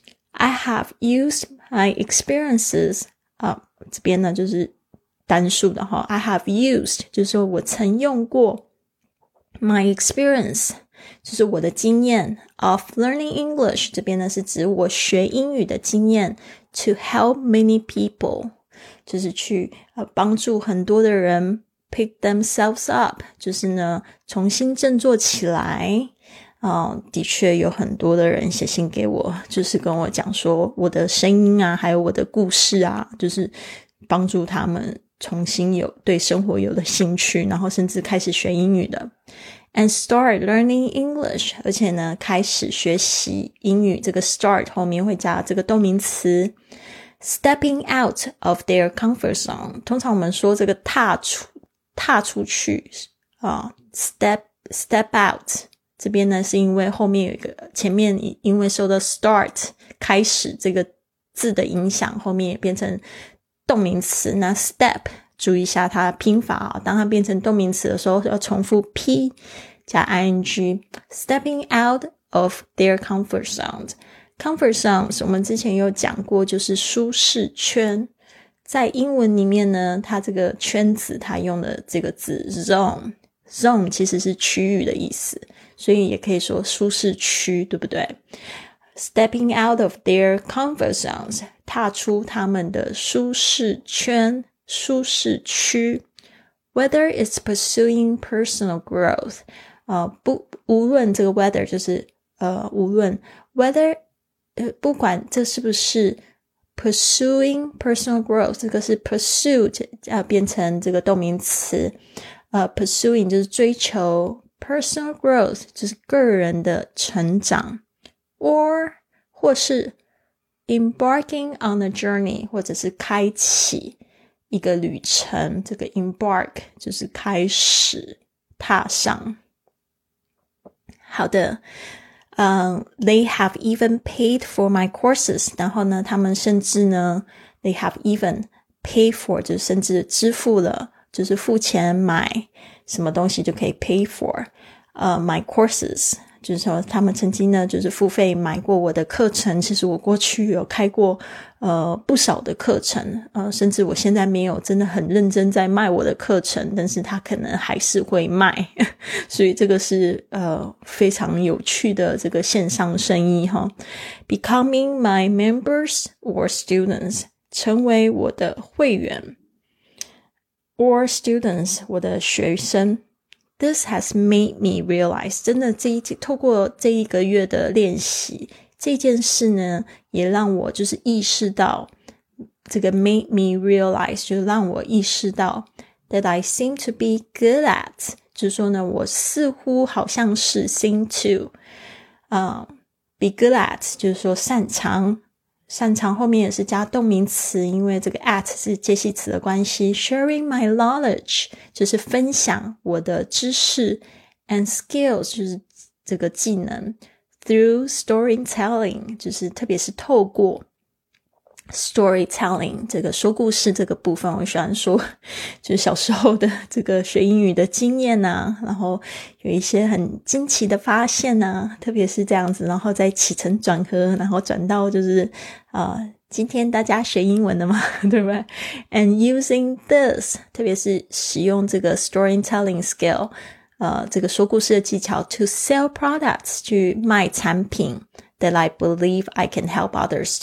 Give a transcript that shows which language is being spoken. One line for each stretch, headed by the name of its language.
English: I have used my experiences,
Chinese: 这边呢就是单数的哈
English: I have used,
Chinese: 就是说我曾用过
English: my experience,
Chinese: 就是我的经验
English: of learning English,
Chinese: 这边呢是指我学英语的经验
English: to help many people,
Chinese: 就是去帮助很多的人
English: pick themselves up,
Chinese: 就是呢重新振作起来。的确有很多的人写信给我，就是跟我讲说我的声音啊还有我的故事啊，就是帮助他们重新有对生活有了兴趣，然后甚至开始学英语的。
English: and start learning English.
Chinese: 而且呢，开始学习英语，这个 start 后面会加这个动名词。
English: Stepping out of their comfort zone.
Chinese: 通常我们说这个踏出去、step out. 这边呢是因为后面有一个前面因为受到 start 开始这个字的影响，后面也变成动名词。那 step 注意一下它拼法啊，当它变成动名词的时候要重复 p 加 ing.
English: Stepping out of their comfort zone.
Chinese: Comfort zone 我们之前有讲过，就是舒适圈。在英文里面呢，它这个圈子它用的这个字 zone 其实是区域的意思，所以也可以说舒适区，对不对？
English: Stepping out of their comfort zones，
Chinese: 踏出他们的舒适圈，舒适区。
English: Whether it's pursuing personal growth，
Chinese: 无论这个 whether 就是无论 whether不管这是不是
English: pursuing personal growth，
Chinese: 这个是 pursue 变成这个动名词，pursuing 就是追求，
English: personal growth
Chinese: 就是个人的成长，
English: or
Chinese: 或是
English: embarking on a journey
Chinese: 或者是开启一个旅程，这个 embark 就是开始踏上。
English: 好的，they have even paid for my courses.
Chinese: 然后呢，他们甚至呢 ，
English: they have even paid for，
Chinese: 就甚至支付了，就是付钱买什么东西就可以 pay for，
English: my courses，
Chinese: 就是说他们曾经呢，就是付费买过我的课程。其实我过去有开过不少的课程，甚至我现在没有真的很认真在卖我的课程，但是他可能还是会卖。所以这个是非常有趣的这个线上生意哈。
English: Becoming my members or students，
Chinese: 成为我的会员
English: or students，
Chinese: 我的学生。
English: This has made me realize，
Chinese: 真的透过这一个月的练习，这件事呢也让我就是意识到，这个
English: made me realize
Chinese: 就让我意识到
English: that I seem to be good at，
Chinese: 就是说呢我似乎好像是
English: seem to be good at，
Chinese: 就是说擅长后面也是加动名词，因为这个 at 是介系词的关系。
English: Sharing my knowledge
Chinese: 就是分享我的知识，
English: and skills
Chinese: 就是这个技能。
English: Through storytelling，
Chinese: 就是特别是透过 storytelling 这个说故事这个部分，我喜欢说就是小时候的这个学英语的经验啊，然后有一些很惊奇的发现啊，特别是这样子，然后再起承转合，然后转到就是今天大家学英文的嘛，对不对？
English: And using this，
Chinese: 特别是使用这个
English: storytelling skill，
Chinese: 这个说故事的技巧
English: to sell products，
Chinese: 去卖产品
English: that I believe I can help others。